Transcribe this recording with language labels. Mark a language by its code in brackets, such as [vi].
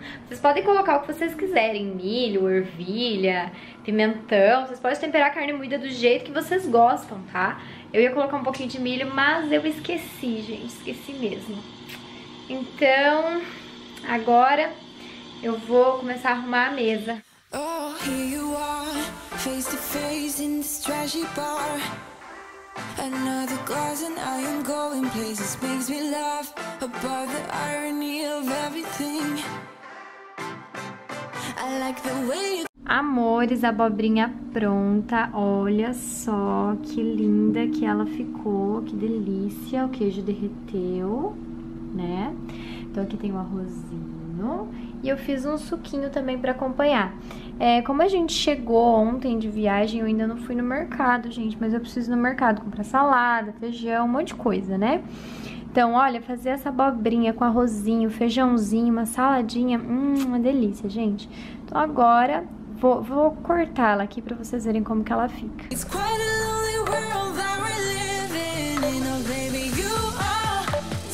[pt] Vocês podem colocar o que vocês quiserem, milho, ervilha, pimentão. Vocês podem temperar a carne moída do jeito que vocês gostam, tá? Eu ia colocar um pouquinho de milho, mas eu esqueci, gente, esqueci mesmo. Então, agora eu vou começar a arrumar a mesa. [en] Oh, here you are, face to face in this trashy bar. Another glass and I am going places. Makes me laugh above the irony of everything. I like the way you... [pt] Amores, abobrinha pronta. Olha só que linda que ela ficou. Que delícia. O queijo derreteu, né? Então aqui tem o arrozinho. E eu fiz um suquinho também pra acompanhar. É, como a gente chegou ontem de viagem, eu ainda não fui no mercado, gente. Mas eu preciso ir no mercado comprar salada, feijão, um monte de coisa, né? Então, olha, fazer essa abobrinha com arrozinho, feijãozinho, uma saladinha. Uma delícia, gente. Então agora, vou cortá-la aqui pra vocês verem como que ela fica. [en] It's quite a lonely world that we live in, you know, baby, you...